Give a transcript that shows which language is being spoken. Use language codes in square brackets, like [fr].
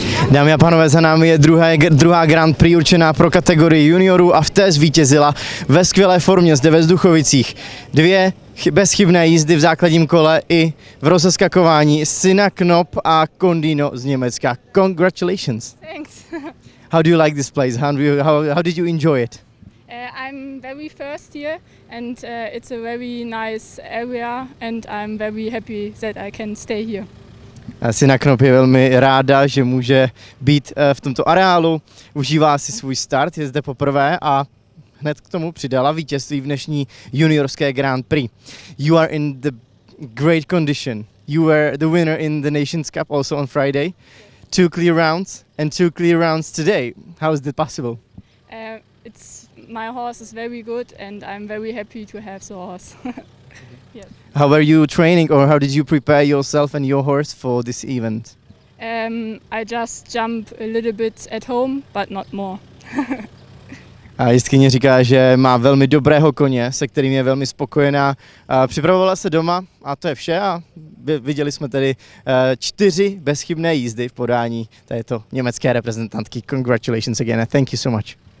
[cs] Dámy a pánové, za námi je druhá Grand Prix určená pro kategorii juniorů a v té zvítězila ve skvělé formě zde ve Zduchovicích. Dvě bezchybné jízdy v základním kole i v rozeskakování Sina Knop a Kondino z Německa. [en] Congratulations! Thanks! How do you like this place? How did you enjoy it? I'm very first here and it's a very nice area and I'm very happy that I can stay here. [cs] Sina Knop je velmi ráda, že může být v tomto areálu, užívá si svůj start, je zde poprvé a hned k tomu přidala vítězství v dnešní juniorské Grand Prix. [en] You are in the great condition. You were the winner in the Nations Cup also on Friday. Two clear rounds and two clear rounds today. How is that possible? It's my horse is very good and I'm very happy to have the horse. Yes. How were you training or how did you prepare yourself and your horse for this event? I just jump a little bit at home, but not more. [cs] A jistkyně říká, že má velmi dobrého koně, se kterým je velmi spokojená. Připravovala se doma a to je vše a viděli jsme tedy čtyři bezchybné jízdy v podání této německé reprezentantky. [en] Congratulations again and thank you so much.